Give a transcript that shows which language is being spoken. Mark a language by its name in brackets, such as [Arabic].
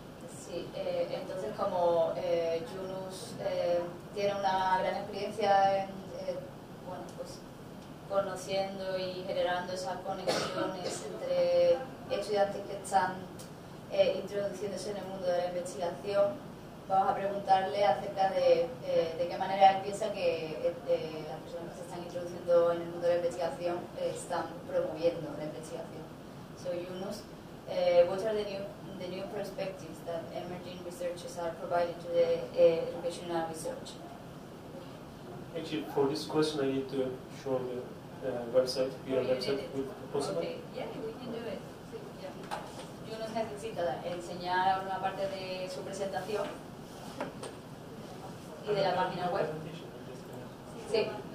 [Spanish] Sí, entonces como Yunus tiene una gran experiencia en, bueno, pues, conociendo y generando esas conexiones entre estudiantes que están introduciéndose en el mundo de la investigación, vamos a preguntarle acerca de qué manera él piensa que las personas que se están introduciendo en el mundo de la investigación están promoviendo la investigación. [English] So Yunus, what are the new perspectives that emerging researchers are providing to the educational research? Actually, for this question, I need to show the website. Your website, if possible. Okay. Yeah, we can do it. Yeah. [Spanish] Yunus necesita enseñar una parte de su presentación. Y de la página web. Sí.